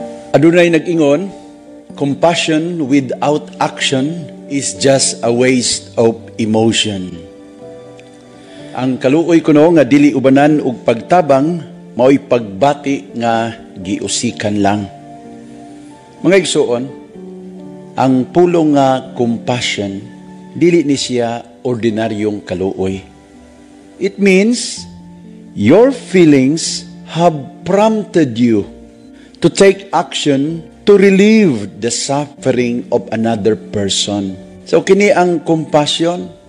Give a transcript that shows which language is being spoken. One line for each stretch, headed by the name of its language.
Cebuano: Adunay nag-ingon,
English: compassion without action is just a waste of emotion.
Cebuano: Ang kaluoy kuno nga dili ubanan og pagtabang mao'y pagbati nga giusikan lang. Mga igsoon, ang pulong nga compassion, dili ni siya ordinaryong kaluoy.
English: It means your feelings have prompted you to take action to relieve the suffering of another person.
Cebuano: So kini ang compassion,